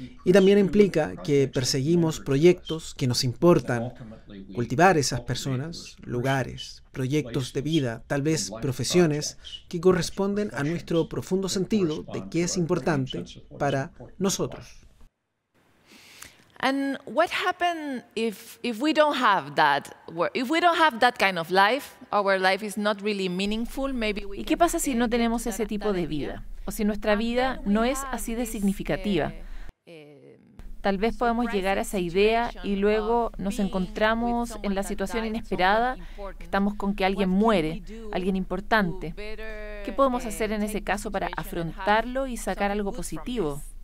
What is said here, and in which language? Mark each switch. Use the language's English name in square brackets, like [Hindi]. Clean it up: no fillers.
[Spanish] Y también implica que perseguimos proyectos que nos importan. Cultivar esas personas, lugares, proyectos de vida, tal vez profesiones, que corresponden a nuestro profundo sentido de qué es importante para nosotros. [English] And what happens if we don't have that, if we don't have that kind of life, our life is not really meaningful, maybe we. [Spanish] ¿Y qué pasa si no tenemos ese tipo de vida? O si nuestra vida no es así de significativa. Tal vez podemos llegar a esa idea y luego nos encontramos en la situación inesperada, estamos con que alguien muere, alguien importante. ¿Qué podemos hacer en ese caso para afrontarlo y sacar algo positivo?